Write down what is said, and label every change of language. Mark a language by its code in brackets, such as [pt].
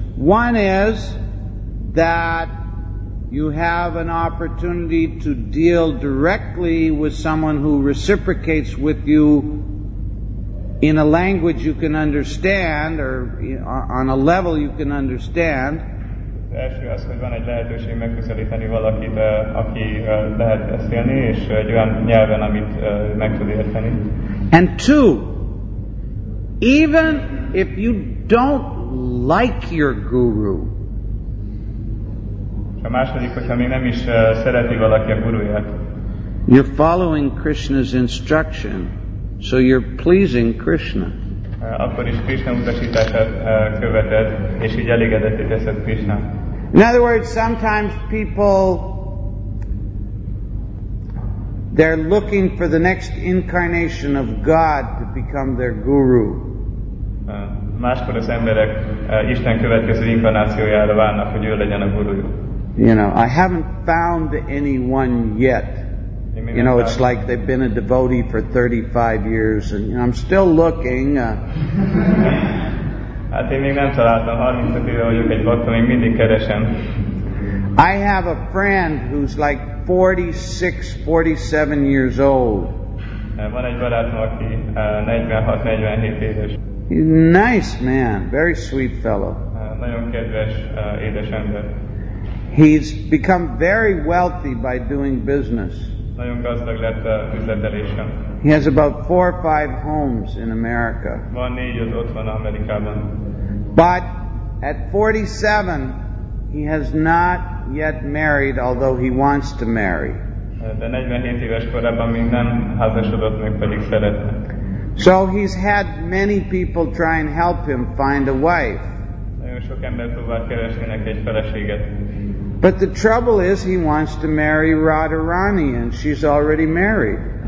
[en] One is that you have an opportunity to deal directly with someone who reciprocates with you in a language you can understand, or on a level you can understand. [hu] első az, hogy van egy lehetőség megközelíteni valakit, aki lehet beszélni, és egy olyan nyelven, amit meg tud érteni. [en] And two, even if you don't like your guru. [hu] A második, hogyha még nem is szereti valaki a guruját. [en] You're following Krishna's instruction, so you're pleasing Krishna. [hu] Akkor is Krishna utasítását követed, és így elégedetté teszed Krishna. [en] In other words, sometimes people, they're looking for the next incarnation of God to become their guru. [hu] Máskor az emberek Isten következő inkarnációjára várnak, hogy ő legyen a gurujuk. [en] You know, I haven't found anyone yet. You know, it's like they've been a devotee for 35 years, and you know, I'm still looking. [hu] Hát én még nem találtam, 35 éve vagyok egy bakta, még mindig keresem. [en] I have a friend who's like 46, 47 years old. [hu] Van egy barátom, aki 46, 47 éves. [en] He's a nice man, very sweet fellow. [hu] Nagyon kedves, édes ember. [en] He's become very wealthy by doing business. [hu] Nagyon gazdag lett üzleteléssel. [en] He has about 4 or 5 homes in America. [hu] Van 4-5 otthon Amerikában. [en] But at 47, he has not yet married, although he wants to marry. [hu] De 47 éves korában még nem házasodott, még pedig szeretne. [en] So he's had many people try and help him find a wife. [hu] Nagyon sok ember próbál keresni neki egy feleséget. [en] But the trouble is, he wants to marry Radharani, and she's already married.